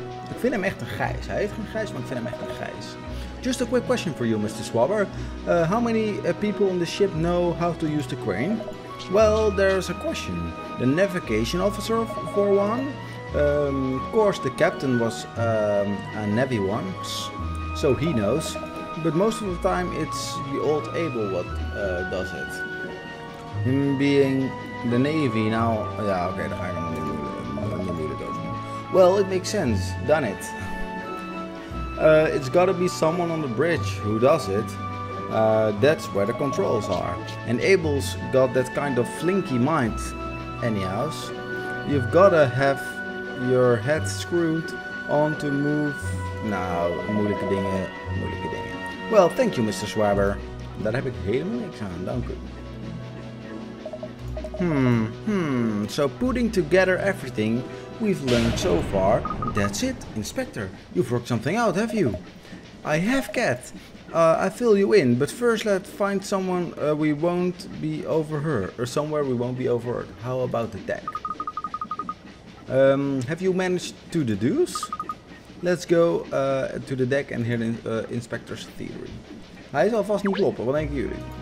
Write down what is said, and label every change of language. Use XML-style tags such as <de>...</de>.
<nl>Ik vind hem echt een gijs. Hij heeft geen gijs, maar ik vind hem echt een gijs.</nl> <en>Just a quick question for you, Mr. Swabber. How many people on the ship know how to use the crane? Well, there's a question. The navigation officer, for one. Of course, the captain was a navy once, so he knows. But most of the time, it's the old Abel what does it. Him being the navy now. Yeah, okay,</en> <nl>daar ga ik nog niet moeilijk over.</nl> <en>Well, it makes sense. Done it. It's gotta be someone on the bridge who does it. That's where the controls are. And Abel's got that kind of flinky mind, anyhow. You've gotta have your head screwed on to move.</en> <nl>Nou, moeilijke dingen, moeilijke dingen.</nl> <en>Well, thank you, Mr. Swabber.</en> <nl>Daar heb ik helemaal niks aan, dank u.</nl> <en>So putting together everything we've learned so far, that's it, Inspector. You've worked something out, have you? I have, Cat. I fill you in, but first let's find someone we won't be overheard, or somewhere we won't be overheard. How about the deck? Have you managed to deduce? Let's go to the deck and hear the inspector's theory.</en> <nl>Hij zal vast niet kloppen, wat denken jullie?</nl>